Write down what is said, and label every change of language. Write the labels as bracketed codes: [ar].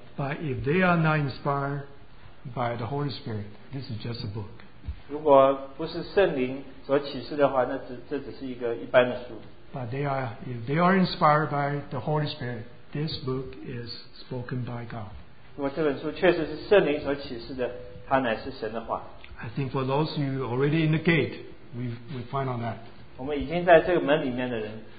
[en] but if they are not inspired by the Holy Spirit, this is just a book. [zh] 如果不是圣灵所启示的话, 那只是一个一般的书。 [en] But if they are inspired by the Holy Spirit, this book is spoken by God. [zh] 如果这本书确实是圣灵所启示的, 它乃是神的话。 [en] I think for those who are already in the gate, we find on that. [zh] 我们已经在这个门里面的人,